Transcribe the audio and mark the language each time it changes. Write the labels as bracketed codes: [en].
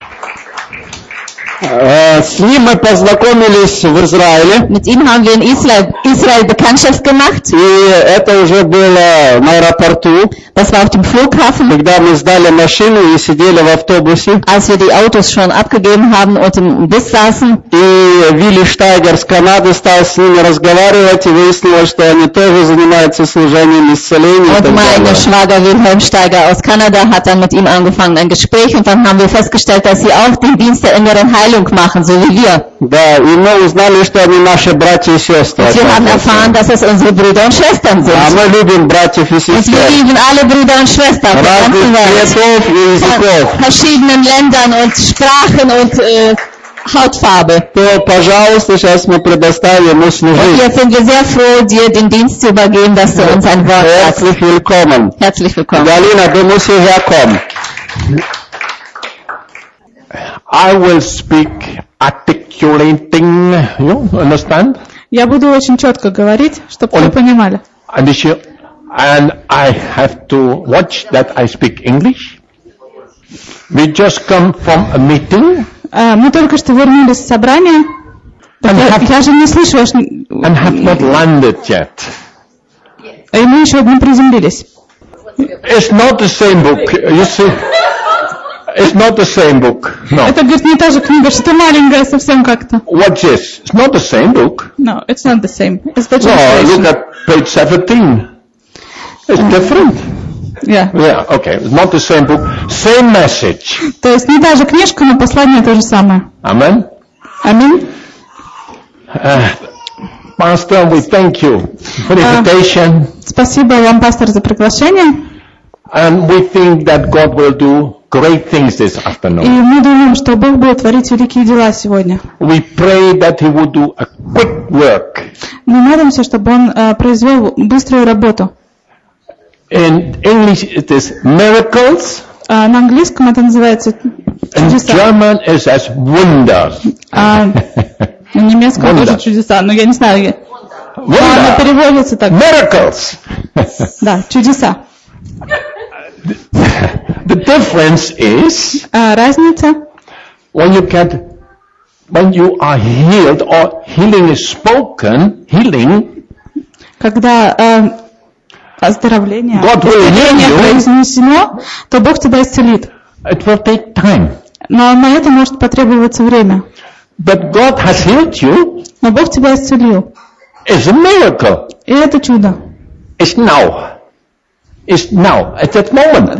[ru] С ним мы познакомились в Израиле. [de] Mit ihm haben wir in Israel Bekanntschaft gemacht. [ru] И это уже было в аэропорту. [de] Das war auf dem Flughafen. [ru] Когда мы сдали машину и сидели в автобусе. [de] Als wir die Autos schon abgegeben haben und im Bus saßen. [ru] И Вилли Штайгер с Канады стал с ними разговаривать и выяснилось, что они тоже занимаются служением исцеления. [de] Und mein Schwager Wilhelm Steiger aus Kanada hat dann mit ihm angefangen ein Gespräch und dann haben wir festgestellt, dass sie auch den Dienst der inneren Heilung machen, so wie wir. [ru] Да, и мы узнали, что они наши братья и сестры. [de] Und wir haben erfahren, dass es unsere Brüder und Schwestern sind. [ru] Да, мы любим братьев и сестер. [de] Und wir lieben alle Brüder und Schwestern. [ru] Разных [de] Verschiedenen Ländern und Sprachen und Hautfarbe. [ru] То, пожалуйста, сейчас мы предоставим служить. [de] Und jetzt sind wir sehr froh, dir den Dienst zu übergeben, dass du uns ein Wort hast. Herzlich willkommen. Herzlich willkommen. [ru] Галина, [de] du musst hierher kommen. [en] I will speak articulating. You understand? [ru] Я буду очень четко говорить, чтобы вы понимали. [en] And I have to watch that I speak English. We just come from a meeting. [ru] Мы только что вернулись с собрания. Я же не слышала. [en] And have not landed yet. [ru] И мы еще не приземлились. [en] It's not the same book. You see. It's not the same book. No. [ru] Это говорит не та же книга, что-то маленькое совсем как-то. [en] What is this? It's not the same book. No, it's not the same. It's the translation. No, look at page 17. It's different. Yeah. Yeah. Okay. It's not the same book. Same message. [ru] То есть не та же книжка, но послание то же самое. [en] Amen. Amen. Pastor, we thank you for the invitation. [ru] Спасибо вам, пастор, за приглашение. [en] And we think that God will do great things this afternoon. [ru] И мы думаем, что Бог будет творить великие дела сегодня. [en] We pray that He will do a quick work. [ru] Мы молимся, чтобы Он произвел быструю работу. [en] In English, it is miracles. [ru] На английском это называется чудеса. [en] In German, it says wonders. [ru] На немецком тоже чудеса, но я не знаю. [en] Wonder. [ru] Оно переводится так. [en] Miracles. [ru] Да, чудеса. [en] The difference is [ru] разница, [en] when you are healed or healing is spoken, healing, [ru] когда оздоровление, [en] God will heal you, [ru] произнесено, то Бог тебя исцелит. [en] It will take time. [ru] Но на это может потребоваться время. [en] But God has healed you. [ru] Но Бог тебя исцелил. [en] It's a miracle. [ru] И это чудо. [en] It's now. Is now at that moment.